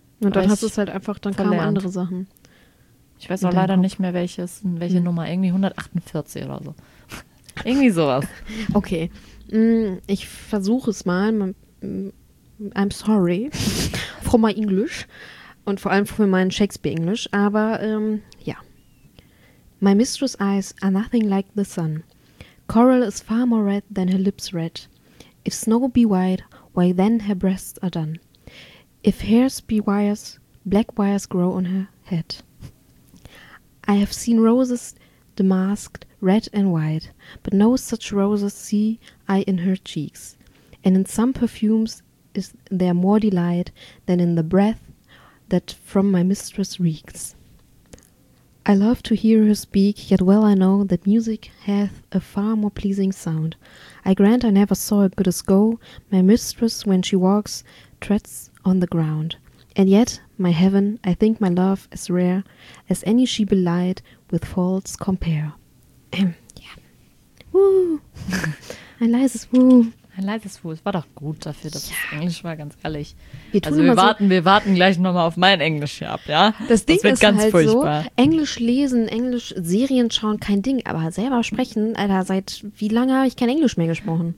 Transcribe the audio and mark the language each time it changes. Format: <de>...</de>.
<de>Und dann hast du es halt einfach, dann kamen andere Sachen. Ich weiß auch leider nicht mehr, welche Nummer. Irgendwie 148 oder so. Irgendwie sowas. Okay. Ich versuche es mal.</de> <en>I'm sorry for my English.</en> <de>Und vor allem für mein Shakespeare-English.</de> <en>Aber My mistress' eyes are nothing like the sun. Coral is far more red than her lips red. If snow be white, why then her breasts are dun. If hairs be wires, black wires grow on her head. I have seen roses damasked red and white, but no such roses see I in her cheeks. And in some perfumes is there more delight than in the breath that from my mistress reeks. I love to hear her speak, yet well I know that music hath a far more pleasing sound. I grant I never saw a good as go, my mistress when she walks treads on the ground. And yet, my heaven, I think my love as rare as any she belied with faults compare.</en> <de>Woo! Ein leises Woo. Es war doch gut dafür, dass das Englisch war, ganz ehrlich. Wir warten gleich nochmal auf mein Englisch hier ab, ja? Das wird ist ganz halt furchtbar. So, Englisch lesen, Englisch Serien schauen, kein Ding. Aber selber sprechen, Alter, seit wie lange habe ich kein Englisch mehr gesprochen?</de>